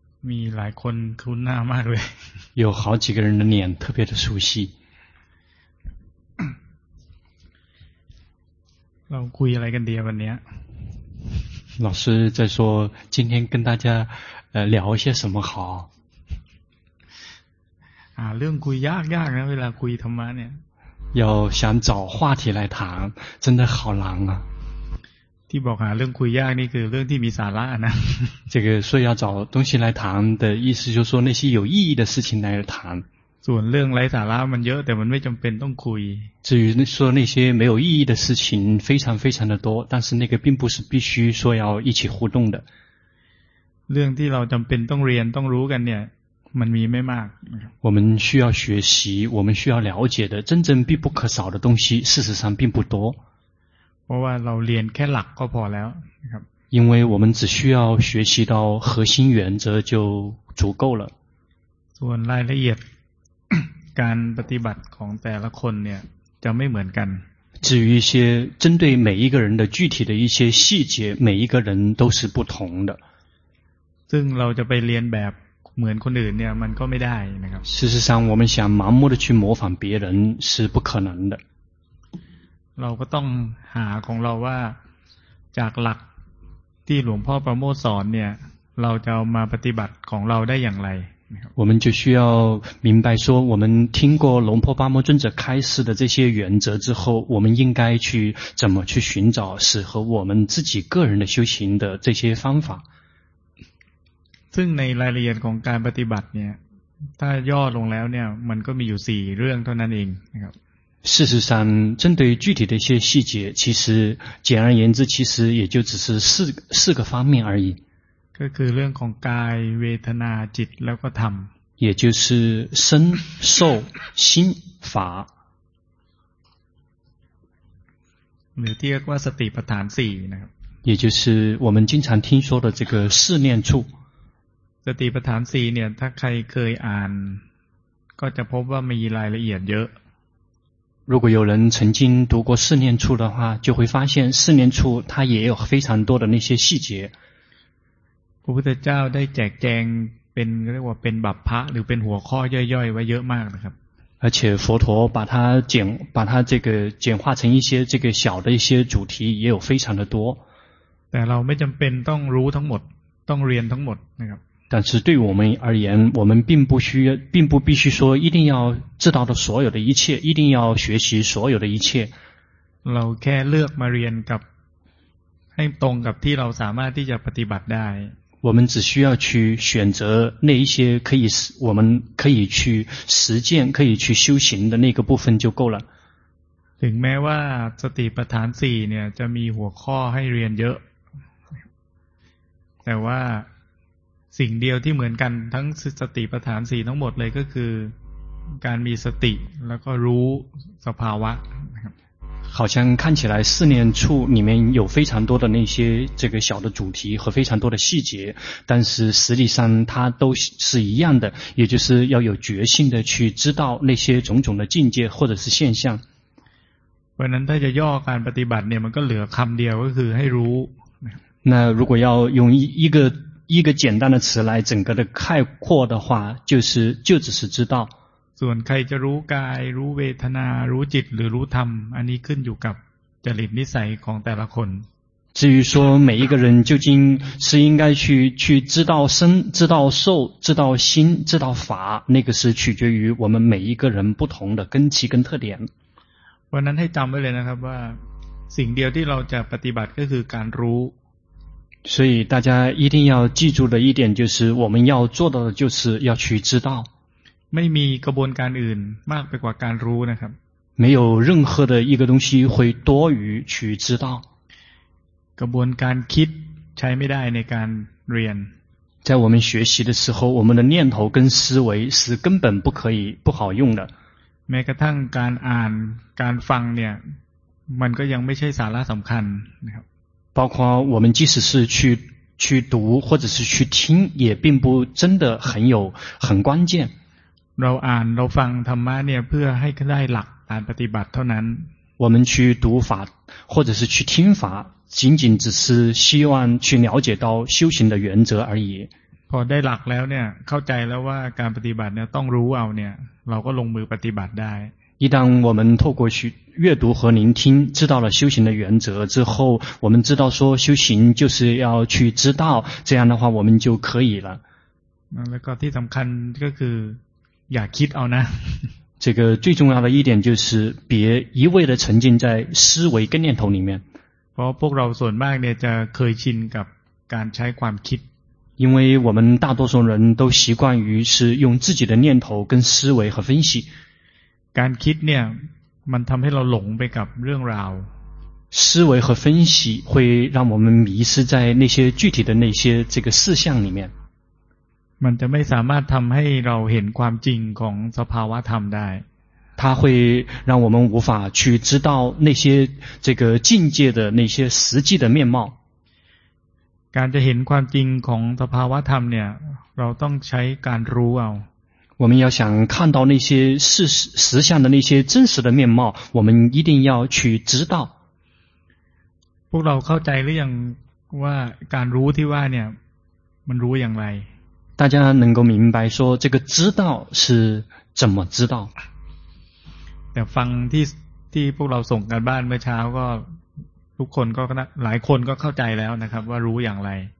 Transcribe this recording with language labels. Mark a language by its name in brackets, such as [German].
[Thai] มีหลายคนคุ้นหน้ามากเลย [Chinese] 有好几个人的脸特别的熟悉 [Thai] เราคุยอะไรกันดีวันนี้ [Chinese] 老师在说今天跟大家聊一些什么好 [Thai] เรื่องคุยยากๆนะเวลาคุยธรรมะเนี่ย [Chinese] 要想找话题来谈真的好难啊 [Thai] ที่บอกหาเรื่องคุยยากนี่คือเรื่องที่มีสาระนะ [Chinese] 这个说要找东西来谈的意思就是说那些有意义的事情来谈 [Thai] ส่วนเรื่องไร้สาระมันเยอะแต่มันไม่จำเป็นต้องคุย [Chinese] 至于说那些没有意义的事情非常非常的多但是那个并不是必须说要一起互动的 [Thai] เรื่องที่เราจำเป็นต้องเรียนต้องรู้กันเนี่ยมันมีไม่มาก [Chinese] 我们需要学习我们需要了解的真正必不可少的东西事实上并不多 [Thai] เพราะว่าเราเรียนแค่หลักก็พอแล้วครับ [Chinese] 因为我们只需要学习到核心原则就足够了 [Thai] ส่วนรายละเอียดการปฏิบัติของแต่ละคนเนี่ยจะไม่เหมือนกัน [Chinese] 至于一些针对每一个人的具体的一些细节每一个人都是不同的 [Thai] ซึ่งเราจะไปเรียนแบบเหมือนคนอื่นเนี่ยมันก็ไม่ได้นะครับ [Chinese] 事实上我们想盲目的去模仿别人是不可能的 [Thai] เราก็ต้องหาของเราว่าจากหลักที่หลวงพ่อประโมทสอนเนี่ยเราจะมาปฏิบัติของเราได้อย่างไร [Chinese] 我们就需要明白说我们听过龙婆巴摩尊者开示的这些原则之后我们应该去怎么去寻找适合我们自己个人的修行的这些方法 [Thai] ซึ่งในรายละเอียดของการปฏิบัติเนี่ยถ้าย่อลงแล้วเนี่ยมันก็มีอยู่4เรื่องเท่านั้นเองนะครับ [Chinese] 事实上针对具体的一些细节其实简而言之其实也就只是四个方面而已 [Thai] ก็คือเรื่องของกายเวทนาจิตแล้วก็ธรรม [Chinese] 也就是身受心法 [Thai] หรือที่เรียกว่าสติปัฏฐาน4นะครับ [Chinese] 也就是我们经常听说的这个四念处 [Thai] สติปัฏฐาน4เนี่ยถ้าใครเคยอ่านก็จะพบว่ามีรายละเอียดเยอะ [Chinese] 如果有人曾经读过四念处的话就会发现四念处它也有非常多的那些细节 [Thai] พระพุทธเจ้าได้แจกแจงเป็นเรียกว่าเป็นบัพพะหรือเป็นหัวข้อย่อยๆไว้เยอะมากนะครับ [Chinese] 而且佛陀把它这个简化成一些这个小的一些主题也有非常的多 [Thai] แต่เราไม่จำเป็นต้องรู้ทั้งหมดต้องเรียนทั้งหมดนะครับ [Chinese] 但是对我们而言我们并不必须说一定要知道的所有的一切一定要学习所有的一切 [Thai] เราแค่เลือกมาเรียนกับให้ตรงกับที่เราสามารถที่จะปฏิบัติได้ [Chinese] 我们只需要去选择那一些可以我们可以去实践可以去修行的那个部分就够了 [Thai] ถึงแม้ว่าสติปัฏฐาน4เนี่ยจะมีหัวข้อให้เรียนเยอะแต่ว่าสิ่งเดียวที่เหมือนกันทั้งสติปัฏฐาน4ทั้งหมดเลยก็คือการมีสติแล้วก็รู้สภาวะ [Chinese] 好像看起来四念处里面有非常多的那些这个小的主题和非常多的细节但是实际上它都是一样的也就是要有决心的去知道那些种种的境界或者是现象 [Thai] เพราะนั้นถ้าจะย่อการปฏิบัติเนี่ยมันก็เหลือคำเดียวก็คือให้รู้ [Chinese] 那如果要用一个简单的词来整个的概括的话就只是知道 [Thai] ส่วนใครจะรู้กายรู้เวทนารู้จิตหรือรู้ธรรมอันนี้ขึ้นอยู่กับจริตนิสัยของแต่ละคน [Chinese] 至于说每一个人究竟是应该去知道身知道受知道心知道法那个是取决于我们每一个人不同的根基跟特点 [Thai] วันนั้นให้จำไว้เลยนะครับว่าสิ่งเดียวที่เราจะปฏิบัติก็คือการรู้ [Chinese] 所以大家一定要记住的一点就是我们要做到的就是要去知道 [Thai] ไม่มีกระบวนการอื่นมากไปกว่าการรู้นะครับ [Chinese] 没有任何的一个东西会多余去知道 [Thai] กระบวนการคิดใช้ไม่ได้ในการเรียน [Chinese] 在我们学习的时候我们的念头跟思维是根本不可以不好用的 [Thai] แม้กระทั่งการอ่านการฟังเนี่ยมันก็ยังไม่ใช่สาระสำคัญนะครับ [Chinese] 包括我们即使是去去读或者是去听也并不真的很有很关键 [Thai] เราอ่านเราฟังธรรมะเนี่ยเพื่อให้ได้หลักการปฏิบัติเท่านั้น [Chinese] 我们去读法或者是去听法仅仅只是希望去了解到修行的原则而已 [Thai] พอได้หลักแล้วเนี่ยเข้าใจแล้วว่าการปฏิบัติเนี่ยต้องรู้เอาเนี่ยเราก็ลงมือปฏิบัติได้ [Chinese] 一旦我们透过去阅读和聆听知道了修行的原则之后我们知道说修行就是要去知道这样的话我们就可以了那个最重要的就是 [Thai] อย่าคิดเอานะ [Chinese] 这个最重要的一点就是别一味的沉浸在思维跟念头里面 [Thai] เพราะพวกเราส่วนมากเนี่ยจะเคยชินกับการใช้ความคิด [Chinese] 因为我们大多数人都习惯于是用自己的念头跟思维和分析 [Thai] การคิดเนี่ยมันทำให้เราหลงไปกับเรื่องราว [Chinese] 思维和分析会让我们迷失在那些具体的那些这个事项里面 [Thai] มันจะไม่สามารถทำให้เราเห็นความจริงของสภาวะธรรมได้ [Chinese] 它会让我们无法去知道那些这个境界的那些实际的面貌 [Thai] การจะเห็นความจริงของสภาวะธรรมเนี่ยเราต้องใช้การรู้เอา [Chinese] 我们要想看到那些事实相的那些真实的面貌，我们一定要去知道。 [Thai] พวกเราเข้าใจหรือยังว่าการรู้ที่ว่าเนี่ยมันรู้อย่างไร？ [Chinese] 大家能够明白说这个知道是怎么知道？ [Thai] แต่ฟังที่พวกเราส่งกันบ้านเมื่อเช้าก็ทุกคนก็หลายคนก็เข้าใจแล้วนะครับว่ารู้อย่างไร？